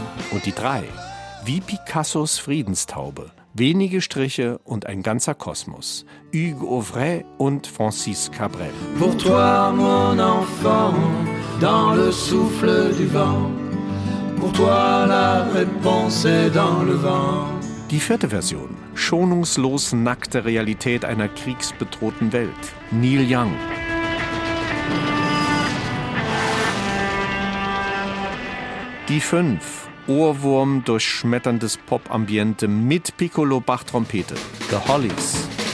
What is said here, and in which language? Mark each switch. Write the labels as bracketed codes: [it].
[de] Und die drei, wie Picassos Friedenstaube. Wenige Striche und ein ganzer Kosmos. Hugues Auvray und Francis Cabrel. [fr] Pour toi, mon enfant, dans le souffle du vent. Pour toi, la réponse est dans le vent. [de] Die vierte Version. Schonungslos nackte Realität einer kriegsbedrohten Welt. Neil Young. Die fünf. Ohrwurm durch schmetterndes Pop-Ambiente mit Piccolo Bach-Trompete. The Hollies.